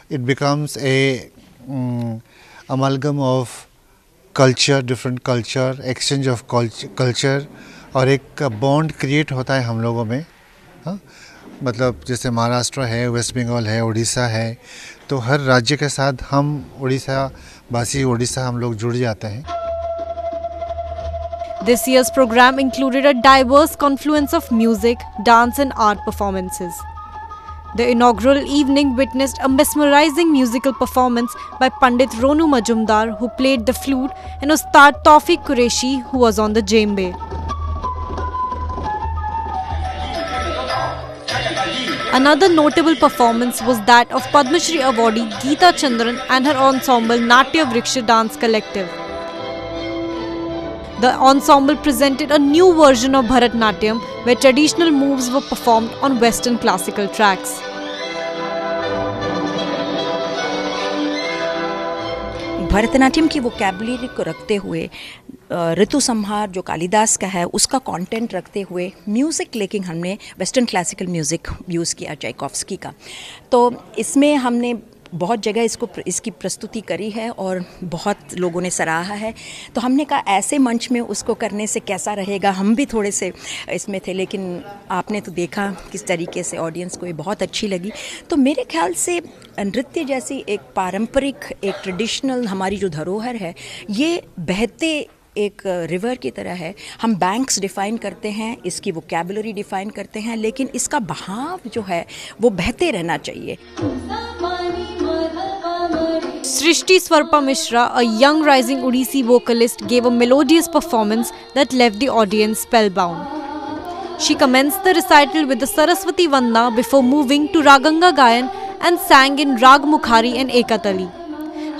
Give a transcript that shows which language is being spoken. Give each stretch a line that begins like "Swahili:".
English: becomes a amalgam of culture
Hindi: different culture exchange of culture और एक bond create होता है हम लोगों में मतलब जैसे महाराष्ट्र है वेस्ट बंगाल है उड़ीसा है तो हर राज्य के साथ हम उड़ीसा हम लोग जुड़ जाते हैं
English: This year's program included a diverse confluence of music, dance and art performances. The inaugural evening witnessed a mesmerizing musical performance by Pandit Ronu Majumdar who played the flute and Ustad Taufiq Qureshi who was on the djembe. Another notable performance was that of Padma Shri awardee Geeta Chandran and her ensemble Natya Vriksha Dance Collective. The ensemble presented a new version of Bharatanatyam where traditional moves were performed on Western classical tracks.
Hindi: Bharatanatyam की vocabulary को रखते हुए ऋतु संहार जो कालिदास का है उसका content रखते हुए म्यूज़िक लेकिन हमने वेस्टर्न क्लासिकल म्यूज़िक यूज़ किया चाइकोव्स्की का तो इसमें हमने बहुत जगह इसको इसकी प्रस्तुति करी है और बहुत लोगों ने सराहा है तो हमने कहा ऐसे मंच में उसको करने से कैसा रहेगा हम भी थोड़े से इसमें थे लेकिन आपने तो देखा किस तरीके से ऑडियंस को ये बहुत अच्छी लगी तो मेरे ख्याल से नृत्य जैसी एक पारंपरिक एक ट्रेडिशनल हमारी जो धरोहर है ये बहते एक रिवर की तरह है हम बैंक्स डिफाइन करते हैं इसकी वोकैबुलरी डिफाइन करते हैं लेकिन इसका बहाव जो है वो बहते रहना चाहिए
English: Srishti Swarpa Mishra, a young rising Odissi vocalist, gave a melodious performance that left the audience spellbound. She commenced the recital with the Saraswati Vandana before moving to Raganga Gayan and sang in Rag Mukhari and Ekatali.